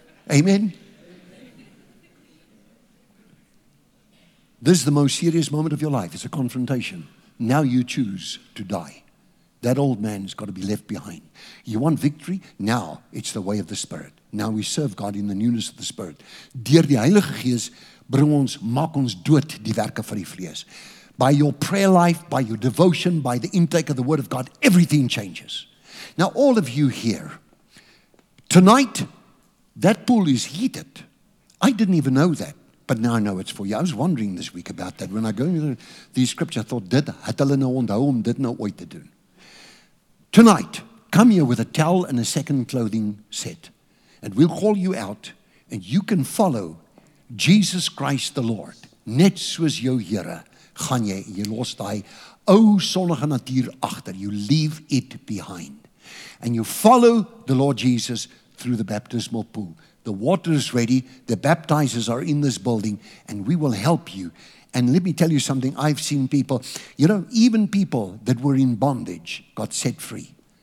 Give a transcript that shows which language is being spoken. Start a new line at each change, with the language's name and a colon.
English: Amen? This is the most serious moment of your life. It's a confrontation. Now you choose to die. That old man's got to be left behind. You want victory? Now it's the way of the Spirit. Now we serve God in the newness of the Spirit.
Afrikaans: Deur die Heilige Gees, bring ons, maak ons dood die werke van die vlees.
English: By your prayer life, by your devotion, by the intake of the Word of God, everything changes. Now all of you here, tonight, that pool is heated. I didn't even know that, but now I know it's for you. I was wondering this week about that. When I go into these scriptures, I thought,
Afrikaans: did het hulle nou onthou om dit nou ooit te doen?
English: Tonight, come here with a towel and a second clothing set. And we'll call you out and you can follow Jesus Christ the Lord.
Afrikaans: Net soos jou Here, gaan jy, jy los die ou sonnige natuur achter.
English: You leave it behind. And you follow the Lord Jesus through the baptismal pool. The water is ready. The baptizers are in this building and we will help you. And let me tell you something, I've seen people, you know, even people that were in bondage got set free.